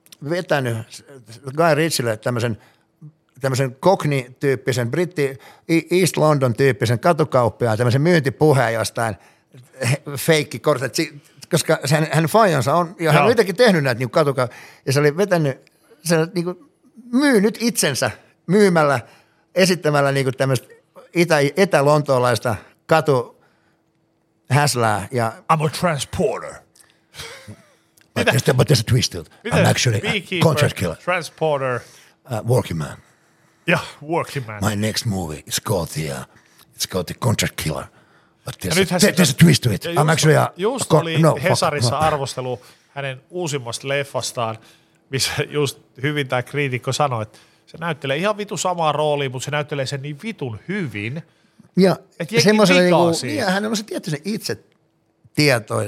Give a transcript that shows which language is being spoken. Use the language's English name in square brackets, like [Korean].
[Finnish] vetänyt Guy Ritchille tämmöisen Cockney-tyyppisen, britti East London-tyyppisen katukauppiaan, tämmöisen myyntipuheen jostain feikkikortet, koska hän faijansa on, ja hän on itsekin tehnyt näitä niin katukauppia, ja se oli vetänyt, se niin kuin myynyt itsensä myymällä, esittämällä niin kuin tämmöistä etälontoolaista katuhäslää. Ja [English] I'm a transporter. But there's a twist to it. I'm actually a contract killer. Transporter. Working man. Yeah, working man. My next movie is called the Contract Killer. But there's a twist to it. I'm actually a... [Finnish] Hesarissa arvostelu hänen uusimmasta leffastaan, missä just hyvin tämä kriitikko sanoi, että se näyttelee ihan vitu samaa roolia, mutta se näyttelee sen niin vitun hyvin, ja, että jengi pitää siihen. Ja hänellä on se tietty se itse tieto.